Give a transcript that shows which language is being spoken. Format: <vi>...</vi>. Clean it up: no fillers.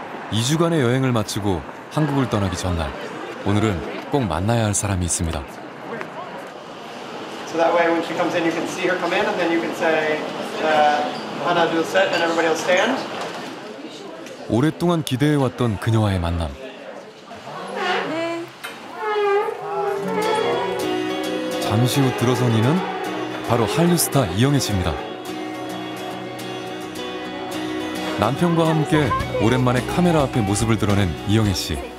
<ko>2주간의 여행을 마치고 한국을 떠나기 전날, 오늘은 꼭 만나야 할 사람이 있습니다.</ko> <en>So that way when she comes in, you can see her come in, and then you can say, Hana, do a set, and everybody will stand.</en> <ko>오랫동안 기대해왔던 그녀와의 만남. 네. 잠시 후 들어선 이는 바로 한류스타 이영애 씨입니다. 남편과 함께 오랜만에 카메라 앞에 모습을 드러낸 이영애 씨.</ko>